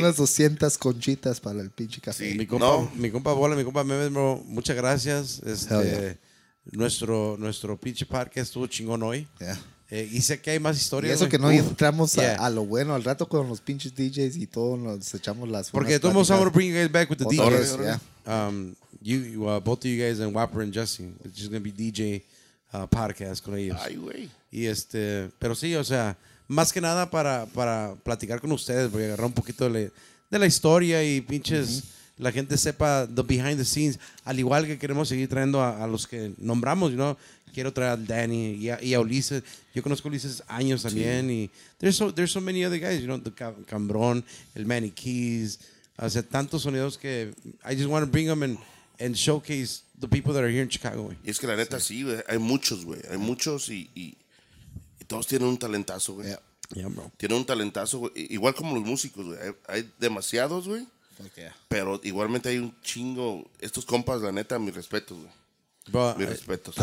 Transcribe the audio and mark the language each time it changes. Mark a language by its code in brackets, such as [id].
[es] Unas 200 conchitas para el pinche café. Sí, mi compa Bola, mi compa Memes, bro. Muchas gracias. Nuestro pinche parque estuvo chingón hoy. Y sé que hay más historias. Y eso, wey, que no entramos a lo bueno al rato con los pinches DJs y todo, nos echamos las. Porque de todos modos, [en] I want to bring you guys back with the DJs. Horas, both of you guys and Whopper and Jesse. It's just going to be DJ podcast [es] con ellos. Ay, güey. Pero sí, o sea, más que nada para platicar con ustedes, voy a agarrar un poquito de la historia y pinches. Mm-hmm. La gente sepa [en] the behind the scenes, [es] al igual que queremos seguir trayendo a los que nombramos, ¿no? Quiero traer a Danny y a Ulises. Yo conozco a Ulises años también. [en] Sí. Y there's so many other guys, you know, the Cambrón, el Manny Keys, [es] o sea, tantos sonidos que [en] I just want to bring them and showcase the people that are here in Chicago. [es] Y es que la neta sí, güey, hay muchos, güey, hay muchos y todos tienen un talentazo, güey. [en] Yeah, bro. [es] Tienen un talentazo, güey. Igual como los músicos, güey, hay demasiados, güey. [en] Okay. [es] Pero igualmente hay un chingo. Estos compas, la neta, mis respetos, güey. Mis respetos.